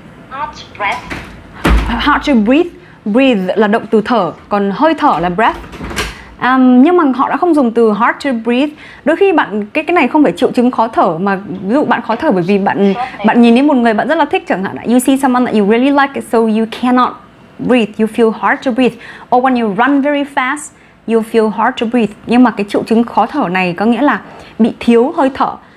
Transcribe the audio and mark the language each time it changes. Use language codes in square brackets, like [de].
[en] Hard to breathe. Hard to breathe. [vi] Breathe là động từ thở, còn hơi thở là breath. Nhưng mà họ đã không dùng từ [en] hard to breathe. [vi] Đôi khi bạn cái này không phải triệu chứng khó thở, mà ví dụ bạn khó thở bởi vì bạn nhìn thấy một người bạn rất là thích chẳng hạn. [en] You see someone that you really like, so you cannot breathe, you feel hard to breathe. Or when you run very fast, you feel hard to breathe. [vi] Nhưng mà cái triệu chứng khó thở này có nghĩa là bị thiếu hơi thở.